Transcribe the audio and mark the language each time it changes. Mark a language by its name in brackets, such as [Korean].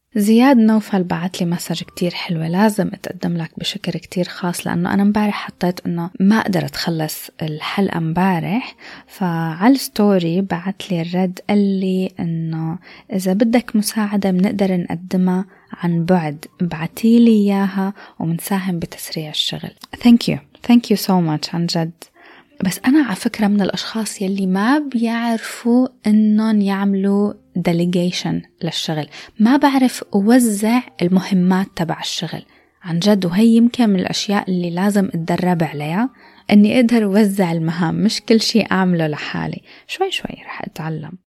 [Arabic] زياد نوفل بعت لي مساج كتير حلوة, لازم اتقدم لك بشكر كتير خاص لانه انا مبارح حطيت انه ما قدرت اخلص الحلقة مبارح, فعلى الستوري بعت لي الرد قال لي انه اذا بدك مساعدة بنقدر نقدمها عن بعد, بعتي لي اياها ومنساهم بتسريع الشغل. [English] Thank you so much [Arabic] عن جد. بس أنا على فكرة من الأشخاص يلي ما بيعرفوا إنهم يعملوا delegation للشغل, ما بعرف أوزع المهمات تبع الشغل عن جد, وهي يمكن من الأشياء اللي لازم أتدرب عليها أني أقدر أوزع المهام, مش كل شيء أعمله لحالي, شوي شوي رح أتعلم.